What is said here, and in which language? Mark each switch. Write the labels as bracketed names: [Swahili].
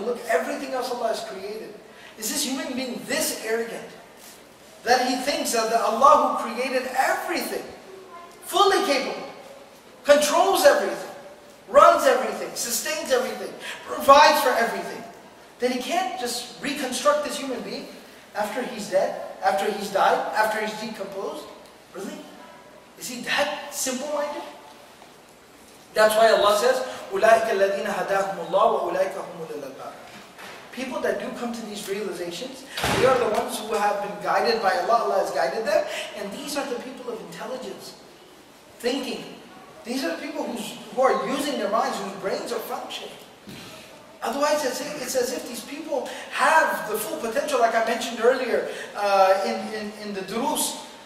[English] Look, everything else Allah has created. Is this human being this arrogant that he thinks that the Allah who created everything, fully capable, controls everything, runs everything, sustains everything, provides for everything, that he can't just reconstruct this human being after he's dead, after he's died, after he's decomposed? Really? Is he that simple-minded? That's why Allah says, [Arabic] أُولَٰئِكَ الَّذِينَ هَدَاهُمُ اللَّهُ وَأُولَٰئِكَ هُمُ الْأَلْبَابُ. [English] People that do come to these realizations, they are the ones who have been guided by Allah. Allah has guided them. And these are the people of intelligence, thinking. These are the people who are using their minds, whose brains are functioning. Otherwise, it's as if these people have the full potential, like I mentioned earlier in the durus.